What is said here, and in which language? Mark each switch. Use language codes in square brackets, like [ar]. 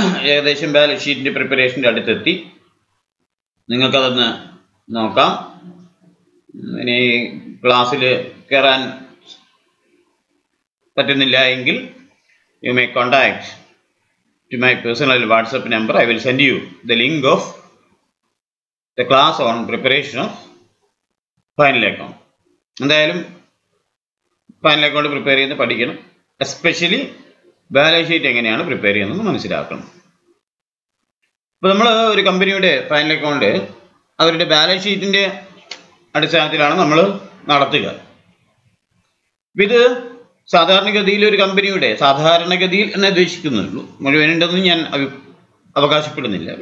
[ml] ഏകദേശം ബാലൻസ് ഷീറ്റിൻ്റെ പ്രിപ്പറേഷൻ്റെ അടുത്തെത്തി. നിങ്ങൾക്കതൊന്ന് നോക്കാം. ഇനി ക്ലാസ്സിൽ കയറാൻ പറ്റുന്നില്ല എങ്കിൽ [en] You may contact to my personal WhatsApp number. I will send you the link of the class on preparation of final account. [ml] എന്തായാലും final account prepare ചെയ്യുന്ന പഠിക്കണം. എസ്പെഷ്യലി ബാലൻസ് ഷീറ്റ് എങ്ങനെയാണ് പ്രിപ്പയർ ചെയ്യുന്നത് മനസ്സിലാക്കണം. ഇപ്പോൾ നമ്മൾ ഒരു കമ്പനിയുടെ ഫൈനൽ അക്കൗണ്ട് അവരുടെ ബാലൻസ് ഷീറ്റിൻ്റെ അടിസ്ഥാനത്തിലാണ് നമ്മൾ നടത്തുക. ഇത് സാധാരണഗതിയിൽ ഒരു കമ്പനിയുടെ സാധാരണഗതിയിൽ എന്നെ ഉദ്ദേശിക്കുന്നുള്ളൂ, മുഴുവനുണ്ടെന്നും ഞാൻ അവകാശപ്പെടുന്നില്ല.